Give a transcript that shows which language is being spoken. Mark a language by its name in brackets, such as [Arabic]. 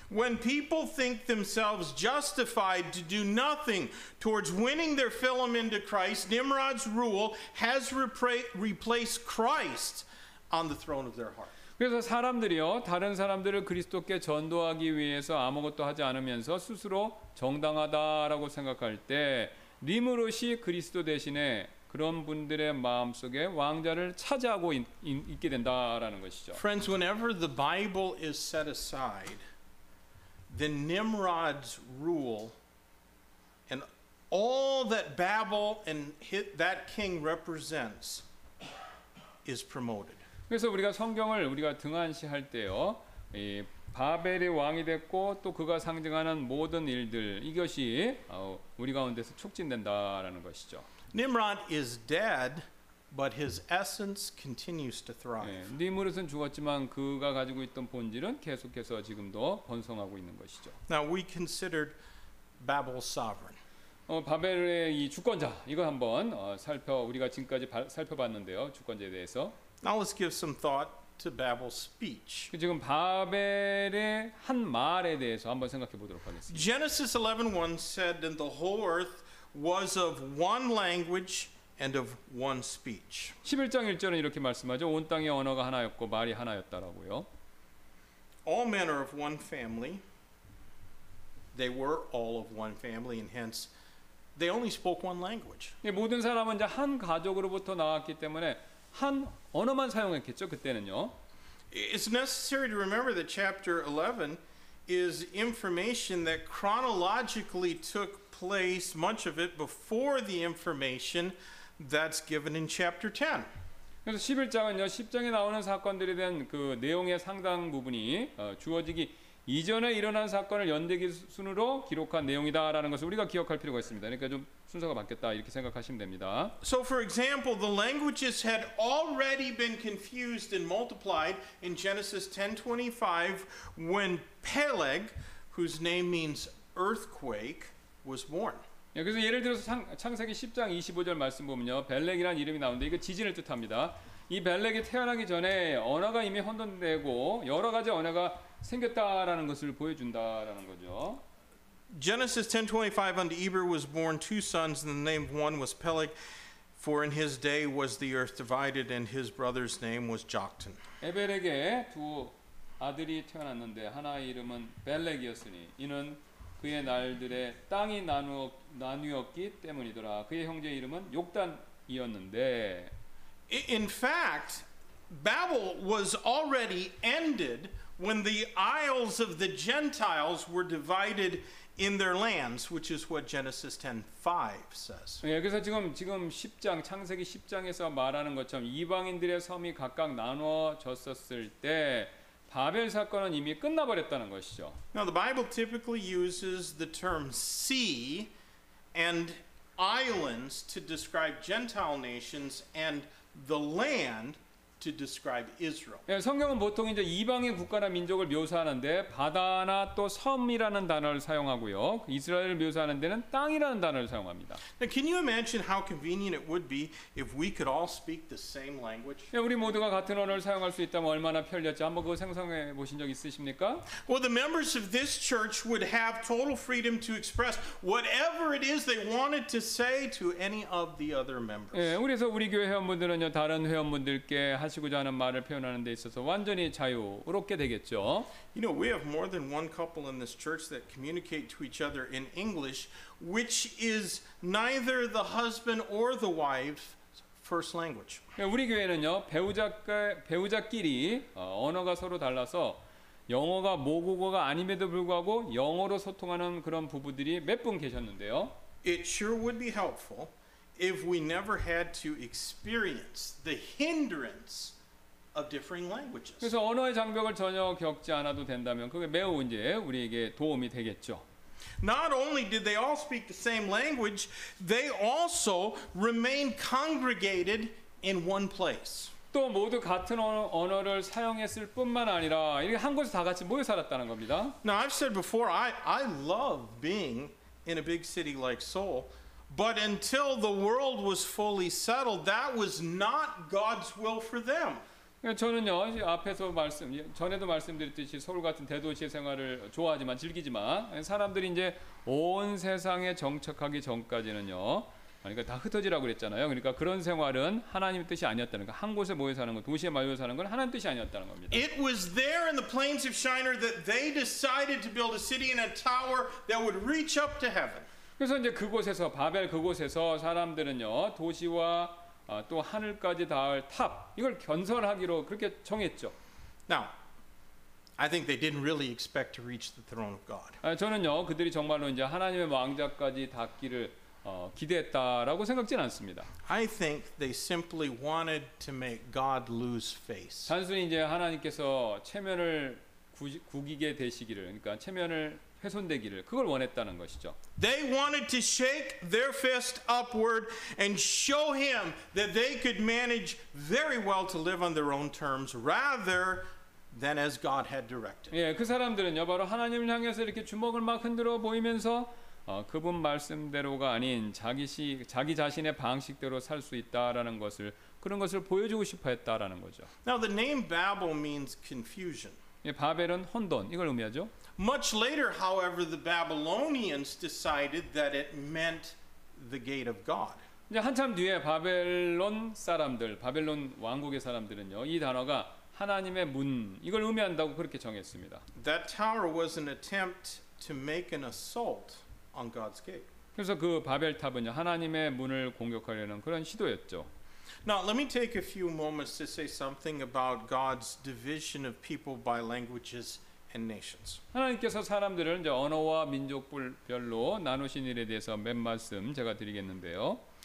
[English] When people think themselves justified to do nothing towards winning their fill into Christ, Nimrod's rule has replaced Christ on the throne of their heart. [Korean] 그래서 사람들이요, 다른 사람들을 그리스도께 전도하기 위해서 아무것도 하지 않으면서 스스로 정당하다라고 생각할 때 님으로시 그리스도 대신에 그런 분들의 마음속에 왕자를 차지하고 있게 된다라는 것이죠. [English] Friends, whenever the Bible is set aside, then Nimrod's rule and all that Babel and that king represents is promoted. [Korean] 그래서 우리가 성경을 우리가 등한시할 때요, 이 바벨의 왕이 됐고 또 그가 상징하는 모든 일들 이것이 우리 가운데서 촉진된다라는 것이죠. [English] Nimrod is dead, but his essence continues to thrive. [Korean] 니므롯은 죽었지만 그가 가지고 있던 본질은 계속해서 지금도 번성하고 있는 것이죠. [English] Now we considered Babel's sovereign. [Korean] 바벨의 이 주권자 이거 한번 살펴 우리가 지금까지 살펴봤는데요 주권자에 대해서. [English] Now let's give some thought to Babel's speech. [Korean] 지금 바벨의 한 말에 대해서 한번 생각해 보도록 하겠습니다. [English] Genesis 11:1 said that the whole earth was of one language and of one speech. [Korean] 11장 1절은 이렇게 말씀하죠. 온 땅의 언어가 하나였고 말이 하나였다라고요. [English] All men are of one family. They were all of one family and hence they only spoke one language. [Korean] 예, 모든 사람은 이제 한 가족으로부터 나왔기 때문에 한 언어만 사용했겠죠, 그때는요. [English] It's necessary to remember that chapter 11 is information that chronologically took place, much of it, before the information that's given in chapter 10. [Korean] 그래서 11장은요, 10장에 나오는 사건들에 대한 그 내용의 상당 부분이 주어지기 이전에 일어난 사건을 연대기 순으로 기록한 내용이다라는 것을 우리가 기억할 필요가 있습니다. 그러니까 좀 순서가 바뀌었다 이렇게 생각하시면 됩니다. [English] So for example, the languages had already been confused and multiplied in Genesis 10:25 when Peleg, whose name means earthquake, was born. [Korean] 그래서 예를 들어서 창세기 10장 25절 말씀 보면요, 벨렉이라는 이름이 나오는데 이거 지진을 뜻합니다. 이 벨렉이 태어나기 전에 언어가 이미 혼돈되고 여러 가지 언어가 생겼다라는 것을 보여준다라는 거죠. [English] Genesis 10:25 unto Eber was born two sons and the name of one was Peleg for in his day was the earth divided and his brother's name was Joktan. [Korean] 에벨에게 두 아들이 태어났는데 하나의 이름은 벨렉이었으니 이는 그의 날들에 땅이 나뉘었기 때문이더라. 그의 형제 이름은 욕단이었는데. [English] In fact, Babel was already ended when the isles of the Gentiles were divided in their lands, which is what Genesis 10:5 says. [Korean] 예, 그래서 지금 10장 창세기 10장에서 말하는 것처럼 이방인들의 섬이 각각 나눠졌었을 때 바벨 사건은 이미 끝나버렸다는 것이죠. [English] Now the Bible typically uses the term sea and islands to describe Gentile nations and the land to describe Israel. [Korean] 예, 성경은 보통 이제 이방의 국가나 민족을 묘사하는데 바다나 또 섬이라는 단어를 사용하고요. 이스라엘을 묘사하는 데는 땅이라는 단어를 사용합니다. [English] Now, can you imagine how convenient it would be if we could all speak the same language? [Korean] 예, 우리 모두가 같은 언어를 사용할 수 있다면 얼마나 편리했지? 한번 그거 상상해 보신 적 있으십니까? [English] Well, the members of this church would have total freedom to express whatever it is they wanted to say to any of the other members. [Korean] 예, 그래서 우리 교회 회원분들은요, 다른 회원분들께 하시고자 하는 말을 표현하는 데 있어서 완전히 자유롭게 되겠죠. [English] You know, we have more than one couple in this church that communicate to each other in English, which is neither the husband or the wife's first language. [Korean] 우리 교회는요, 배우자끼리 언어가 서로 달라서 영어가 모국어가 아님에도 불구하고 영어로 소통하는 그런 부부들이 몇 분 계셨는데요. [English] It sure would be helpful if we never had to experience the hindrance of differing languages. [Korean] 그래서 언어의 장벽을 전혀 겪지 않아도 된다면 그게 매우 이제 우리에게 도움이 되겠죠. [English] Not only did they all speak the same language, they also remained congregated in one place. [Korean] 또 모두 같은 언어를 사용했을 뿐만 아니라 이렇게 한 곳에서 다 같이 모여 살았다는 겁니다. [English] Now I've said before, I love being in a big city like Seoul. But until the world was fully settled, that was not God's will for them. [Korean] 저는요, 앞에서 전에도 말씀드렸듯이 서울 같은 대도시의 생활을 좋아하지만 즐기지만 사람들이 이제 온 세상에 정착하기 전까지는요, 그러니까 다 흩어지라고 그랬잖아요. 그러니까 그런 생활은 하나님의 뜻이 아니었다는 거. 한 곳에 모여 사는 거, 도시에 모여 사는 건 하나님 뜻이 아니었다는 겁니다. [English] It was there in the plains of Shinar that they decided to build a city and a tower that would reach up to heaven. [Korean] 그래서 이제 그곳에서 바벨 그곳에서 사람들은요 도시와 또 하늘까지 닿을 탑 이걸 건설하기로 그렇게 정했죠. [English] Now, I think they didn't really expect to reach the throne of God. [Korean] 저는요 그들이 정말로 이제 하나님의 왕좌까지 닿기를 기대했다라고 생각지는 않습니다. [English] I think they simply wanted to make God lose face. [Korean] 단순히 이제 하나님께서 체면을 구기게 되시기를, 그러니까 체면을 훼손되기를 그걸 원했다는 것이죠. [English] They wanted to shake their fist upward and show him that they could manage very well to live on their own terms rather than as God had directed. [Korean] 예, 그 사람들은요 바로 하나님을 향해서 이렇게 주먹을 막 흔들어 보이면서 그분 말씀대로가 아닌 자기 자신의 방식대로 살 수 있다라는 것을 그런 것을 보여주고 싶어 했다라는 거죠. [English] Now the name Babel means confusion. [Korean] 예, 바벨은 혼돈 이걸 의미하죠. [English] Much later, however, the Babylonians decided that it meant the gate of God. [Korean] 이제 한참 뒤에 바벨론 사람들, 바벨론 왕국의 사람들은요, 이 단어가 하나님의 문 이걸 의미한다고 그렇게 정했습니다. [English] That tower was an attempt to make an assault on God's gate. [Korean] 그래서 그 바벨탑은요, 하나님의 문을 공격하려는 그런 시도였죠. [English] Now, let me take a few moments to say something about God's division of people by languages. And nations. [Korean] 하나님께서 사람들을 이제 언어와 민족별로 나누신 일에 대해서 몇 말씀 제가 드리겠는데요.